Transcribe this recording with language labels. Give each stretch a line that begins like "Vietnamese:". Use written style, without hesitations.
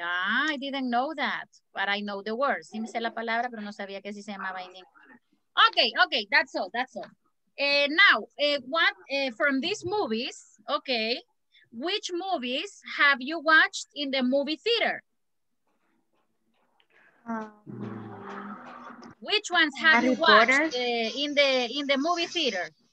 English: Ah, I didn't know that, but I know the word.
Spanish: Sí me sé la palabra, pero no sabía que así se llamaba en inglés.
English: Okay, that's all. Now, from these movies, okay, which movies have you watched in the movie theater? Which ones have Harry you watched in the movie theater?